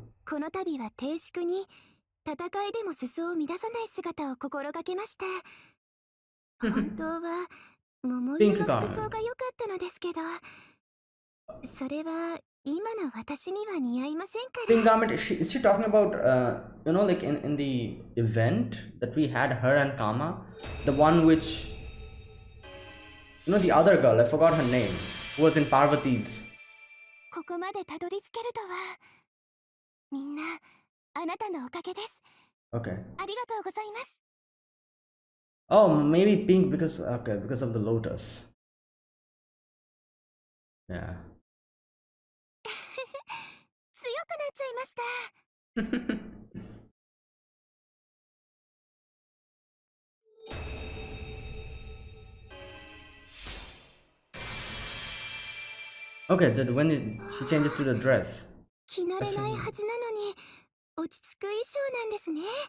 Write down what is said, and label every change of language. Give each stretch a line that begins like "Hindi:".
Japanese: この度は定宿に戦いでも裾を乱さない姿を心がけました。本当は桃色の服装が良かったのですけど、それは今の私には似合いませんから。
English: Pink garment. Is she talking about, you know, like in the event that we had her and Kama, the one which, you know, the other girl, I forgot her name, was in Parvati's.
Japanese: ここまでたどり着けるとは。みんな、あなたのおかげです。
English: Okay.
Japanese: ありがとうございます。
English: Oh, maybe pink because, okay, because of the lotus. Yeah.
Japanese: 強くなっちゃいました。
English: Okay, then when she changes to the dress.
Japanese: 着慣れないはずなのに落ち着く衣装なんですね。